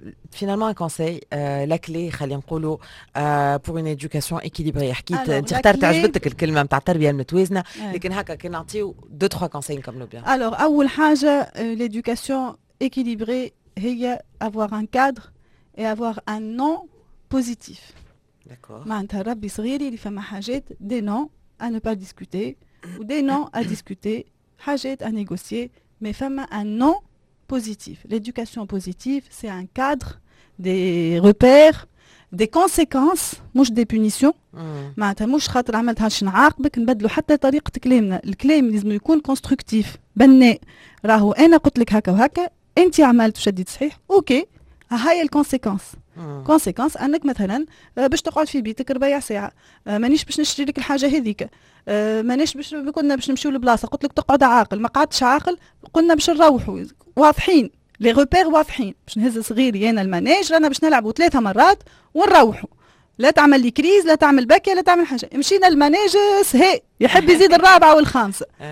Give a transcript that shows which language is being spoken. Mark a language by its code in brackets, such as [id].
[fr] Finalement, un conseil, la clé, [ar] خلينا نقولوا [fr] pour une éducation équilibrée. [ar] حكيت انت اختارت عجبتك الكلمه نتاع التربيه المتوازنه لكن هكا كي نعطيو [fr] دو تخوا كونساي [ar] نكملوا بيان. [fr] Alors, [ar] اول حاجه [fr] l'éducation équilibrée هي avoir un cadre et avoir un non positif. D'accord. [ar] معناتها ربي صغيري اللي فما حاجات [fr] des non à ne pas discuter ou des non à discuter, حاجات à négocier, mais فما un non positif. L'éducation positive, c'est un cadre, des repères, des conséquences, مش des punitions. [ar] معناتها مش خاطر عملتهاش نعاقبك نبدلوا حتى طريقة كلامنا. الكلام لازم يكون constructif, بناء. راهو أنا قلت لك هكا وهكا. انت عملت وشديت صحيح اوكي هاي الكونسيكونس كونسيكونس انك مثلا باش تقعد في بيتك ربع ساعه مانيش باش نشري لك الحاجه هذيك مانيش باش قلنا باش نمشيو لبلاصه قلت لك تقعد عاقل ما قعدتش عاقل قلنا باش نروحوا واضحين لي روبير واضحين باش نهز صغيري انا المانيج رانا باش نلعبوا ثلاثه مرات ونروحوا لا تعمل لي كريز لا تعمل باكيه لا تعمل حاجه مشينا المانيج سهي يحب يزيد الرابعه والخامسه